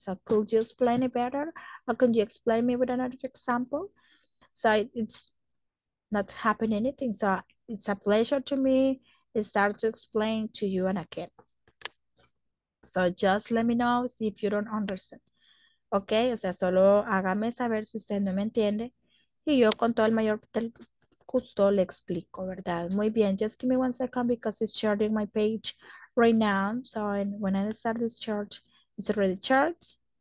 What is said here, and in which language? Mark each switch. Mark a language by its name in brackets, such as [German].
[English] So could you explain it better? Or could you explain me with another example? So it's not happening anything. So it's a pleasure to me to start to explain to you and again. So just let me know if you don't understand. [Spanish] Okay, o sea, solo hágame saber si usted no me entiende. Y yo con todo el mayor gusto le explico, ¿verdad? Muy bien, [English] just give me one second because it's charging my page right now. So and when I start this charge, it's already charged.